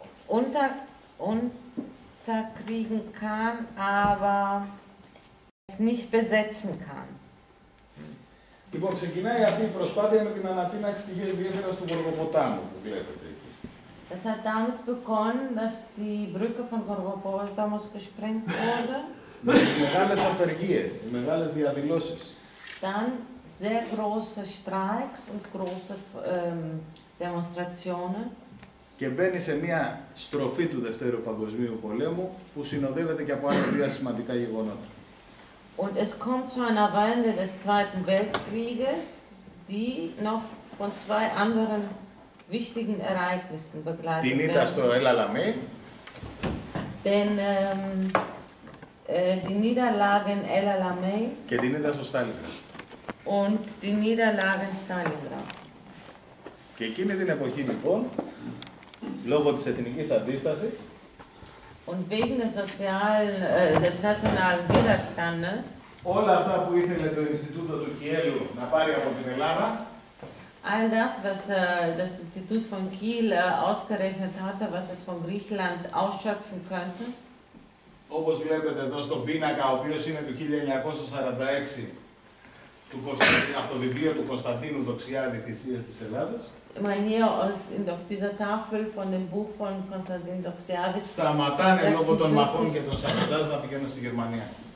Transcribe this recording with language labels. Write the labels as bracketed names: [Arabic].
[German] Unterkriegen kann, aber es nicht besetzen kann. [Greek] Λοιπόν, ξεκινάει αυτή η προσπάθεια με την ανατίναξη της γης γέφυρας του Γοργοποτάμου, που βλέπετε. [German] Es hat damit begonnen, dass die Brücke von Gorgopotamos gesprengt wurde. [Greek] Μεγάλες απεργίες, μεγάλες διαδηλώσεις. [German] Dann sehr große Streiks und große Demonstrationen. [Greek] Και μπαίνει σε μια στροφή του Δευτέρου Παγκοσμίου Πολέμου που συνοδεύεται και από άλλα δύο σημαντικά γεγονότα. [German] Und es kommt zu einer Wende des Zweiten Weltkrieges, die noch von zwei anderen wichtigen Ereignissen begleitet werden. [Greek] Την ήττα στο El Alamein. [German] Die Niederlage in El Alamein. [Greek] Και την ήττα στο Stalingrad. [German] Und die Niederlage in Stalingrad. [Greek] Και εκείνη την εποχή, λοιπόν, λόγω της εθνικής αντίστασης, [German] Und wegen des sozialen, des nationalen Widerstandes. [Greek] Όλα αυτά που ήθελε το Ινστιτούτο του Κιέλου να πάρει από την Ελλάδα. [German] All das, was das Institut von Kiel ausgerechnet hatte, was es von Griechenland ausschöpfen könnte. [Greek] Όπως βλέπετε εδώ στον πίνακα, ο οποίος είναι του 1946, του από το βιβλίο του Κωνσταντίνου Δοξιάδη «Θυσίες της Ελλάδας». [German] Man hier auf dieser Tafel von dem Buch von Konstantin Doxiadis. [Greek] Σταματάνε λόγω των μαχών και των σαρατάς να πηγαίνουν στη Γερμανία.